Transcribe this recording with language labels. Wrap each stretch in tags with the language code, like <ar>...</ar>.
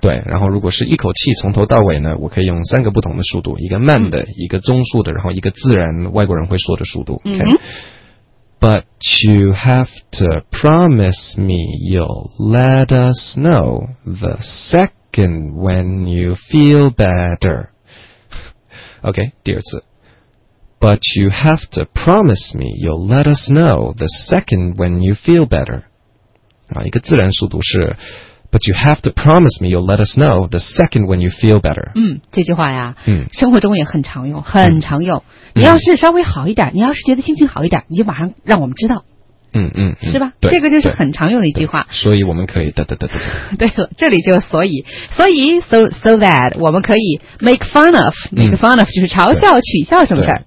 <zh>对，然后如果是一口气从头到尾呢，我可以用三个不同的速度，一个慢的，一个中速的，然后一个自然外国人会说的速度。</zh> <en>Okay? But you have to promise me. You'll let us know the second when you feel better. Okay,</en> <zh>第二次。</zh> <en>But you have to promise me you'll let us know the second when you feel better.</en> <zh>一个自然速度是</zh> <en>But you have to promise me you'll let us know the second when you feel better.</en> <zh>这句话呀，生活中也很常用，很常用。你要是稍微好一点，你要是觉得心情好一点，你就马上让我们知道。是吧？对，这个就是很常用的一句话。所以我们可以对了，这里就所以</zh> <en>so that</en> <zh>我们可以</zh> <en>make fun of</en> <zh>就是嘲笑取笑什么事儿。</zh>